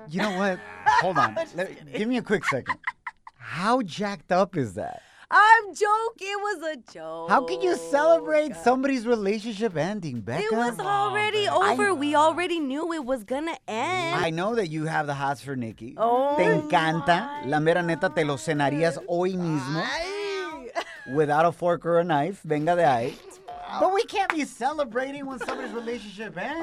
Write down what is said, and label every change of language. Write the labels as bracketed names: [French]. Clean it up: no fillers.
[English] You know what? Hold on. Give me a quick second. How jacked up is that? I'm joking. It was a joke. How can you celebrate somebody's relationship ending, Becca? It was already over. We already knew it was going to end. I know that you have the hots for Nicki. Oh, [Spanish] te encanta. La mera neta, te lo cenarías hoy mismo. Ay. [English] Without a fork or a knife. [Spanish] Venga de ahí. [English] But we can't be celebrating when somebody's relationship ends.